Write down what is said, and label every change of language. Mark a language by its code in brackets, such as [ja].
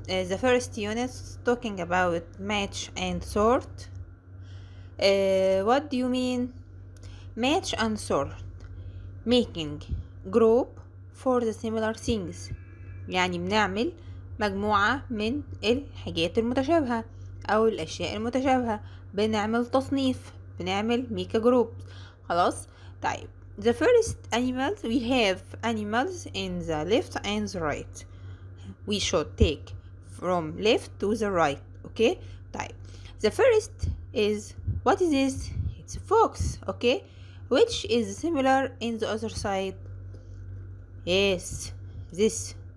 [en] The first units talking about match and sort. What do you mean? Match and sort, making group for the similar things. [ar] يعني بنعمل مجموعة من الحاجات المتشابهة أو الأشياء المتشابهة، بنعمل تصنيف، بنعمل [en] make a group. [ar] خلاص. طيب [en] the first animals, we have animals in the left and the right. We should take from left to the right. Okay. [ar] طيب [en] the first is, what is this? It's a fox. Okay. Which is similar in the other side? Yes, this.